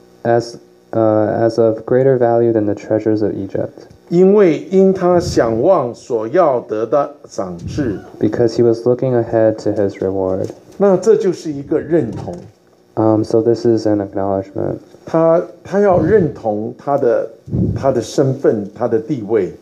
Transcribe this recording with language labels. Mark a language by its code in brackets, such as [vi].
[en] As of greater value than the treasures of Egypt. [zh] 因为因他想望所要得的赏赐。 [en] Because he was looking ahead to his reward. [zh] 那这就是一个认同。 [en] So this is an acknowledgement. [zh] 他要认同他的身份，他的地位。